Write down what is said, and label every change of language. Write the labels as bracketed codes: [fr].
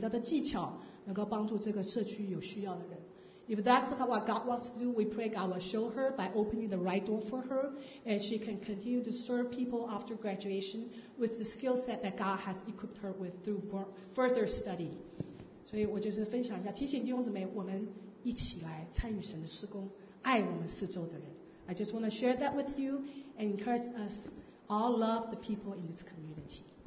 [zh] 那主若愿意就让她在这边读书，在这里服侍，盼望她完成学位之后，能够用她所学到的技巧，能够帮助这个社区有需要的人。 [en] If that's what God wants to do, we pray God will show her by opening the right door for her, and she can continue to serve people after graduation with the skill set that God has equipped her with through further study. [zh] 所以我就是分享一下，提醒弟兄姊妹，我们一起来参与神的事工，爱我们四周的人。 [en] I just want to share that with you and encourage us all love the people in this community.